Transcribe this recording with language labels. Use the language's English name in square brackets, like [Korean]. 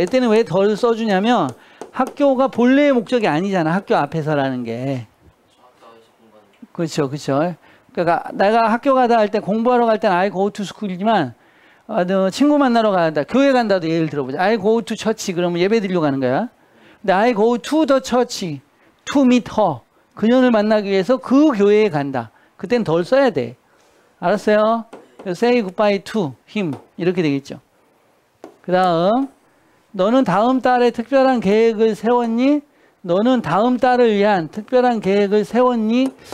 [Korean] 이때는 왜 the 써주냐면 학교가 본래의 목적이 아니잖아. 학교 앞에서라는 게 그렇죠. 그렇죠. 그러니까 내가 학교 가다 할 때 공부하러 갈 때는 [English] I go to school [Korean] 이지만 친구 만나러 간다. 교회 간다도 예를 들어보자. [English] I go to church. [Korean] 그러면 예배 드리려고 가는 거야. [English] 근데 I go to the church. To meet her. [Korean] 그녀를 만나기 위해서 그 교회에 간다. 그땐 덜 써야 돼. 알았어요? [English] Say goodbye to him. [Korean] 이렇게 되겠죠. 그 다음 너는 다음 달에 특별한 계획을 세웠니? 너는 다음 달을 위한 특별한 계획을 세웠니?